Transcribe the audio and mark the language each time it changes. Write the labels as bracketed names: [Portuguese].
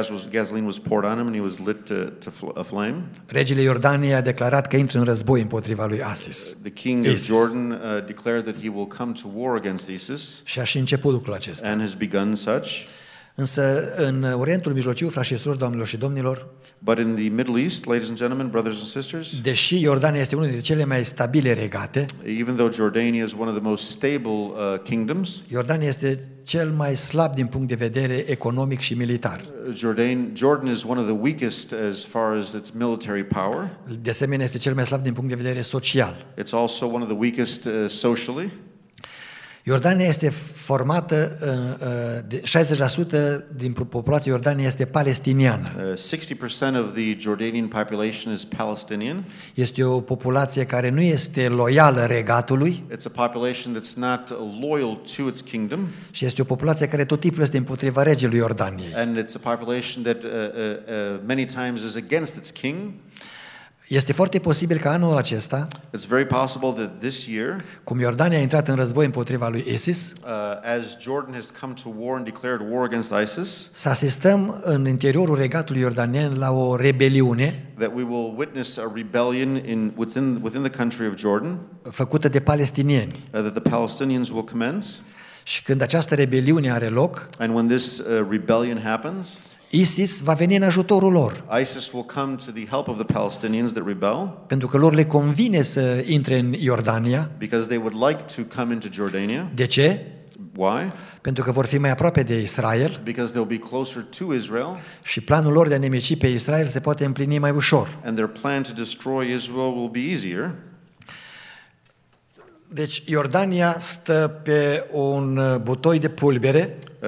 [English] Gasoline was poured on him and he was lit to aflame. [Romanian] Regele Iordaniei a declarat că intră în război împotriva lui ISIS. [English] The king of Jordan declared that he will come to war against ISIS. [Romanian] Și a și început lucrul acesta. [English] And has begun such. [Romanian] Însă în Orientul Mijlociu, frați și surori, doamnelor și domnilor, [English] but in the Middle East, ladies and gentlemen, brothers and sisters, [Romanian] deși Iordania este unul dintre cele mai stabile regate, [English] even though Jordania is one of the most stable kingdoms, [Romanian] Iordania este cel mai slab din punct de vedere economic și militar. [English] Jordan is one of the weakest as far as its military power. [Romanian] De asemenea, este cel mai slab din punct de vedere social. [English] It's also one of the weakest socially. [Romanian] Iordania este formată, 60% din populația Iordaniei este palestiniană. [English] 60% of the Jordanian population is Palestinian. [Romanian] Este o populație care nu este loială regatului. [English] It's a population that's not loyal to its kingdom. [Romanian] Și este o populație care tot timpul este împotriva regelui Iordaniei. [English] And it's a population that many times is against its king. [Romanian] Este foarte posibil ca anul acesta, [English] it's very possible that this year, [Romanian] cum Iordania a intrat în război împotriva lui ISIS, [English] as Jordan has come to war and declared war against ISIS, [Romanian] să asistăm în interiorul regatului iordanian la o rebeliune, [English] that we will witness a rebellion within the country of Jordan, [Romanian] făcută de palestinieni, [English] that the Palestinians will commence, [Romanian] și când această rebeliune are loc, [English] and when this rebellion happens, [Romanian] ISIS va veni în ajutorul lor. [English] ISIS will come to the help of the Palestinians that rebel. [Romanian] Pentru că lor le convine să intre în Iordania. [English] Because they would like to come into Jordania. [Romanian] De ce? [English] Why? [Romanian] Pentru că vor fi mai aproape de Israel. [English] Because they'll be closer to Israel. [Romanian] Și planul lor de a nemici pe Israel se poate împlini mai ușor. [English] And their plan to destroy Israel will be easier. [Romanian] Deci Iordania stă pe un butoi de pulbere.